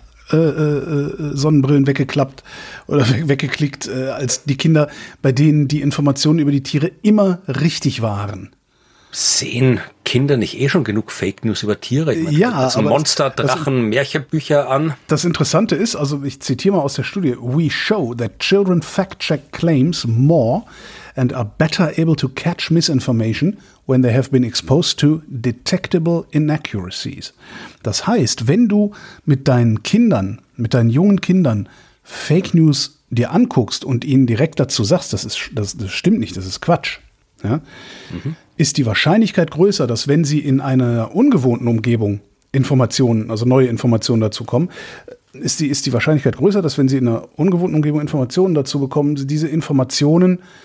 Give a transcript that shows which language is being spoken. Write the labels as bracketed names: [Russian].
[German] Sonnenbrillen weggeklappt oder weggeklickt als die Kinder, bei denen die Informationen über die Tiere immer richtig waren. Sehen Kinder nicht eh schon genug Fake News über Tiere? Ich meine, ja, das aber Monster, Drachen, das, Märchenbücher an. Das Interessante ist, also ich zitiere mal aus der Studie: [English] We show that children fact-check claims more and are better able to catch misinformation when they have been exposed to detectable inaccuracies. [German] Das heißt, wenn du mit deinen Kindern, mit deinen jungen Kindern Fake News dir anguckst und ihnen direkt dazu sagst, das stimmt nicht, das ist Quatsch, ja, ist die Wahrscheinlichkeit größer, dass wenn sie in einer ungewohnten Umgebung Informationen, also neue Informationen dazu kommen, ist die Wahrscheinlichkeit größer, dass wenn sie in einer ungewohnten Umgebung Informationen dazu bekommen, sie diese Informationen